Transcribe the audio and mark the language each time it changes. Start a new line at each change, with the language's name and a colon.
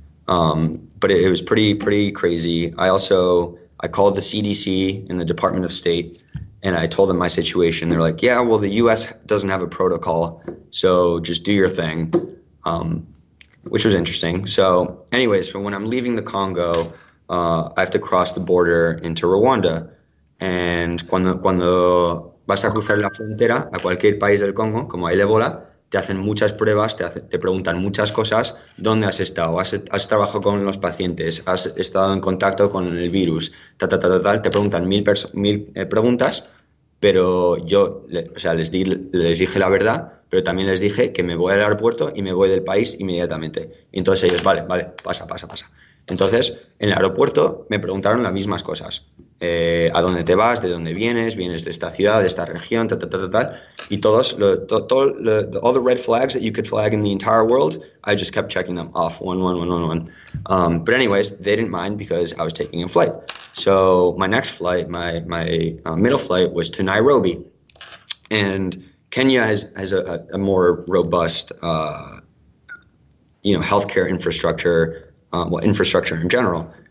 English: But it was pretty crazy. I called the CDC and the Department of State, and I told them my situation. They're like, yeah, well, the U.S. doesn't have a protocol, so just do your thing. Which was interesting. So anyways, from when I'm leaving the Congo, I have to cross the border into Rwanda. And
Spanish: cuando vas a cruzar la frontera a cualquier país del Congo, como hay el Ebola, te hacen muchas pruebas, te preguntan muchas cosas. ¿Dónde has estado? ¿Has trabajado con los pacientes? ¿Has estado en contacto con el virus? Ta, ta, ta, ta, ta. Te preguntan mil preguntas, pero yo, o sea, les dije la verdad, pero también les dije que me voy al aeropuerto y me voy del país inmediatamente. Y entonces ellos, vale, pasa. Entonces, en el aeropuerto me preguntaron las mismas cosas. a dónde te vas, de dónde vienes, vienes de esta ciudad, de esta región, ta, ta, ta, ta, ta. Y todos,
English: all the red flags that you could flag in the entire world, I just kept checking them off, one. But anyways, they didn't mind because I was taking a flight. So my next flight, my middle flight was to Nairobi. And Kenya has a more robust, healthcare infrastructure, infrastructure in general.